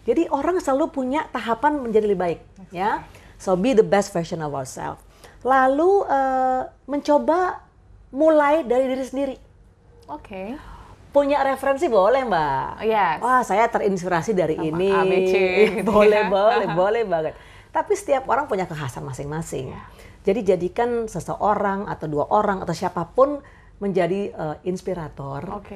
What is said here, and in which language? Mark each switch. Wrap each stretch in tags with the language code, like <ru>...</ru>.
<id>Jadi orang selalu punya tahapan menjadi lebih baik, ya.</id> <en>So be the best version of ourselves.</en> <id>Lalu mencoba mulai dari diri sendiri. Punya referensi boleh, Mbak. Wah, saya terinspirasi dari ini. Boleh banget. Tapi setiap orang punya kekhasan masing-masing. Jadi jadikan seseorang atau dua orang atau siapapun menjadi inspirator.</id>